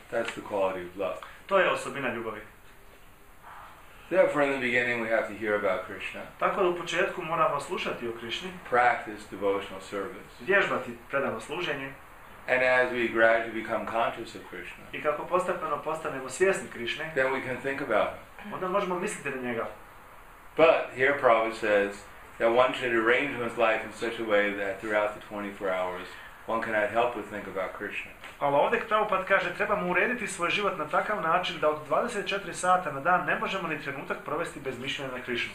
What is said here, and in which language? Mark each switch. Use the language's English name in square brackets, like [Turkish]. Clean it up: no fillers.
[English] That's the quality of love. [Bosnian] To je osobina ljubavi. [English] Therefore, in the beginning, we have to hear about Krishna. [Bosnian] Tako da u početku moramo slušati o Krišni. [English] Practice devotional service. [Bosnian] Vježbati predano služenje. [English] And as we gradually become conscious of Krishna. [Bosnian] I kako postepeno postanemo svjesni Krišne. [English] Then we can think about him. [Bosnian] Onda možemo misliti na njega. [English] But here Prabhupada says that one should arrange one's life in such a way that throughout the 24 hours one cannot help but think about Krishna. [Bosnian] Ali ovdje Prabhupada kaže trebamo urediti svoj život na takav način da od 24 sata na dan ne možemo ni trenutak provesti bez mišljenja na Krišnu.